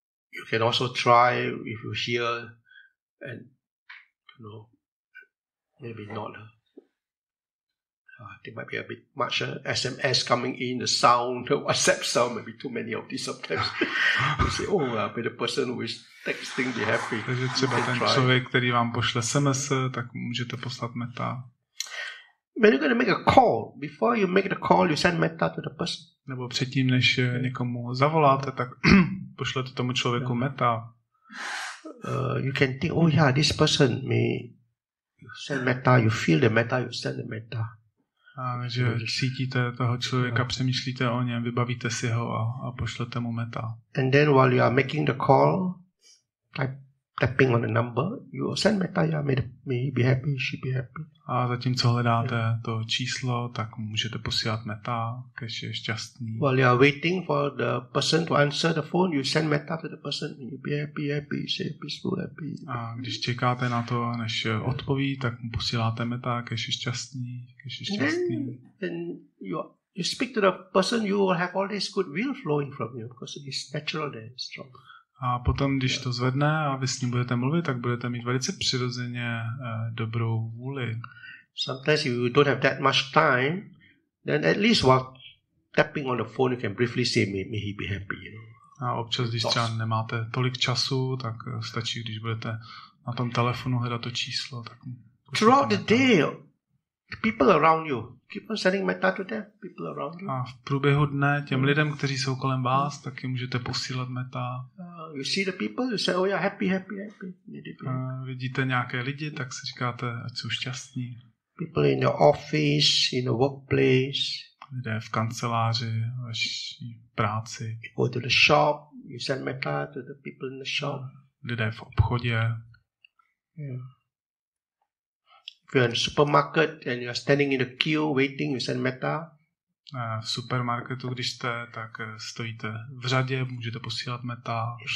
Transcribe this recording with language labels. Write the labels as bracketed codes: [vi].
[en] You can also try if you hear and maybe not. There might be a bit much SMS coming in, the sound, the WhatsApp sound, maybe too many of these sometimes. You say, but the person who is texting be happy. [cs] Takže třeba ten člověk, který vám pošle SMS, tak můžete poslat metta. [en] When you're going to make a call, before you make the call, you send metta to the person. [cs] Nebo předtím, než někomu zavoláte, tak pošlete tomu člověku metta. [en] You can think, this person may send metta, you feel the metta, you send the metta. [cs] Takže cítíte toho člověka, přemýšlíte o něm, vybavíte si ho a pošlete mu metta. [en] And then while you are making the call, tapping on the number, you send metta, may be happy, she be happy. [cs] A zatímco hledáte to číslo, tak můžete posílat metta, když je šťastný. [en] While you are waiting for the person to answer the phone, you send metta to the person, may be happy, happy, she peaceful, happy. [cs] A když čekáte na to, než odpoví, tak mu posíláte metta, když je šťastný. [en] Then you speak to the person, you will have all this good will flowing from you, because it's natural and strong. [cs] A potom, když to zvedne a vy s ním budete mluvit, tak budete mít velice přirozeně dobrou vůli. [en] Sometimes if you don't have that much time, then at least while tapping on the phone, you can briefly say, may he be happy. [cs] A občas, když třeba nemáte tolik času, tak stačí, když budete na tom telefonu hledat to číslo. Tak [en] throughout the day, People around you. Keep on sending metta to them. People around you. [cs] A v průběhu dne těm lidem, kteří jsou kolem vás, taky můžete posílat metta. [en] You see the people, you say, oh yeah, happy, happy, happy. [cs] Vidíte nějaké lidi, tak si říkáte, ať jsou šťastní. [en] People in your office, in your workplace. [cs] Lidé v kanceláři, vaší práci. [en] You go to the shop, you send metta to the people in the shop. [cs] Lidé v obchodě. [en] If you're in the supermarket and you're standing in the queue waiting, you send metta. [cs] V supermarketu, když jste, tak stojíte v řadě, můžete posílat metta.